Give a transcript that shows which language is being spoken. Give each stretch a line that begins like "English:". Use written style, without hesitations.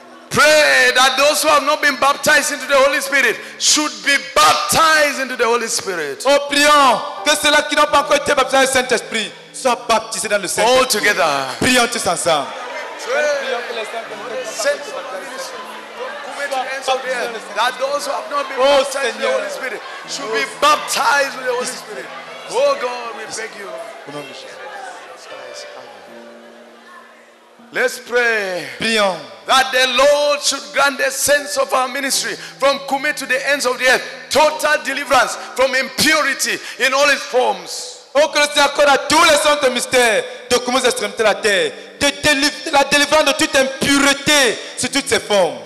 English: Pray that those who have not been baptized into the Holy Spirit should be baptized into the Holy Spirit.
French: Oh, prions que ceux-là qui n'ont pas encore été baptisés dans le Saint-Esprit soient baptisés dans le Saint-Esprit.
English: All together.
French: Prions tous ensemble.
English: That those who have not been baptized with the Holy Spirit should be baptized with the Holy Spirit. Oh God, we beg you. Let's pray.
French: Prions.
English: That the Lord should grant the sense of our ministry from Kume to the ends of the earth. Total deliverance from impurity in all its forms.
French: Oh, que le Seigneur accorde à tous les saints de mystère de Kume aux extrémités de la terre. De la délivrance de toute impureté sur toutes ses formes.